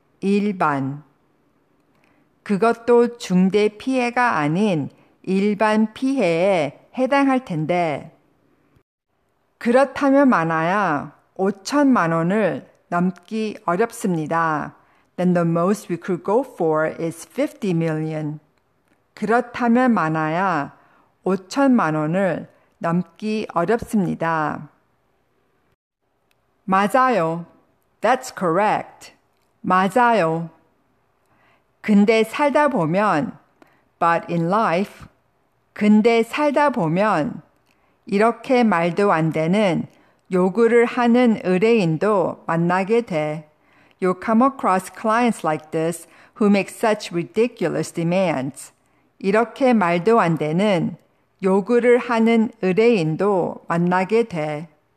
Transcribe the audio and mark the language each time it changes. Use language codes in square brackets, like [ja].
[ko] 일반 그것도 중대 피해가 아닌 일반 피해에 해당할 텐데 그렇다면 많아야 5천만 원을 넘기 어렵습니다. [en] Then the most we could go for is 50 million. [ko] 그렇다면 많아야 5천만 원을 넘기 어렵습니다. 맞아요. [en] That's correct. [ko] 맞아요. 근데 살다 보면 [en] But in life [ko] 근데 살다 보면 이렇게 말도 안 되는 요구를 하는 의뢰인도 만나게 돼. [en] You come across clients like this who make such ridiculous demands. [ko] 이렇게 말도 안 되는 요구를 하는 의뢰인도 만나게 돼.